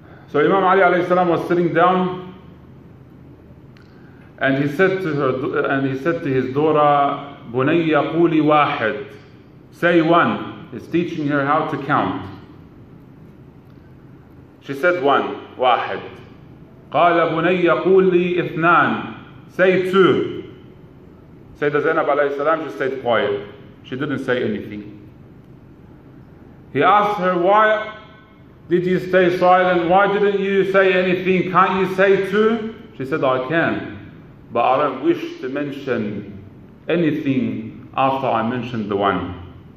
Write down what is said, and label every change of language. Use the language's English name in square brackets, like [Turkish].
[English] So Imam Ali alayhi salam was sitting down, and he said to his daughter, [Arabic] Bunayya quli wahid, [English] say one. He's teaching her how to count. She said one, [Arabic] واحد. قال بني قول لي اثنان, [English] say two. Sayyida Zainab alayhi salam, she stayed quiet. She didn't say anything. He asked her, why did you stay silent? Why didn't you say anything? Can't you say two? She said, I can, but I don't wish to mention anything after I mentioned the one.